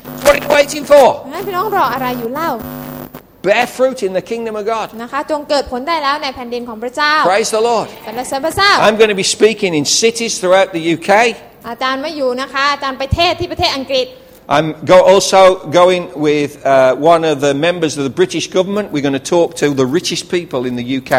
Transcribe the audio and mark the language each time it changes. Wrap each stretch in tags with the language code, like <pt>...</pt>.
<en>What are you waiting for?</en> <th>งั้นพี่น้องรออะไรอยู่เล่า</th> <en>Bear fruit in the kingdom of God.</en> <th>นะคะจงเกิดผลได้แล้วในแผ่นดินของพระเจ้า</th> <en>Praise the Lord.</en> <th>สรรเสริญพระเจ้า</th> <en>I'm going to be speaking in cities throughout the UK.</en> <th>อาจารย์ไม่อยู่นะคะอาจารย์ไปเทศที่ประเทศอังกฤษ</th> <en>I'm also going with one of the members of the British government we're going to talk to the richest people in the UK</en>